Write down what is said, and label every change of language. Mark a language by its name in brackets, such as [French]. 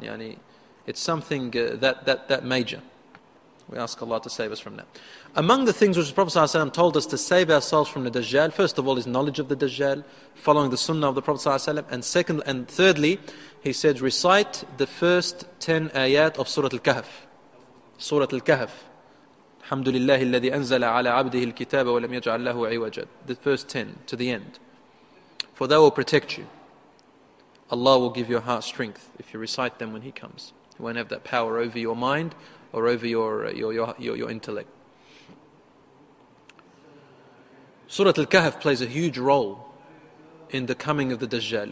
[English] Yani, it's something that major. We ask Allah to save us from that. Among the things which the Prophet Sallallahu Alaihi Wasallam told us to save ourselves from the Dajjal, first of all, is knowledge of the Dajjal, following the Sunnah of the Prophet Sallallahu Alaihi Wasallam, and thirdly, he said, recite the first 10 ayat of Surah Al-Kahf. Surah Al-Kahf. [Arabic] Alhamdulillah, الذي أنزل على عبده الكتاب ولم يجعل له عوجا. [English] The first 10 to the end. For that will protect you. Allah will give your heart strength if you recite them when He comes. He won't have that power over your mind or over your intellect. Surah Al-Kahf plays a huge role in the coming of the Dajjal.